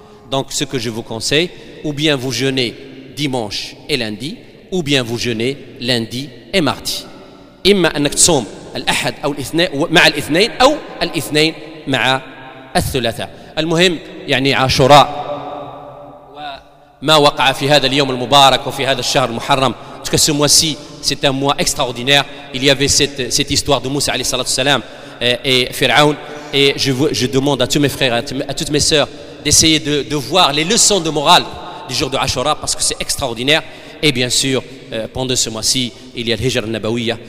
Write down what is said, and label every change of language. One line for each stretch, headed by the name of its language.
French: Donc, ce que je vous conseille, ou bien vous jeûnez dimanche et lundi, ou bien vous jeûnez lundi et mardi.
Arabic: إما أنك تصوم الأحد أو الاثنين مع الاثنين أو الاثنين مع الثلاثاء. المهم يعني عاشوراء وما وقع في هذا اليوم المبارك وفي هذا الشهر المحرم.
French: ce mois-ci c'est un mois extraordinaire. Il y avait cette histoire de Moussa
Arabic: عليه الصلاة والسلام
French: et Pharaon. Et je demande à tous mes frères, à toutes mes sœurs d'essayer de voir les leçons de morale du jour de Ashura, parce que c'est extraordinaire. Et bien sûr, pendant ce mois-ci, il y a le Hijr al-Nabawiyya.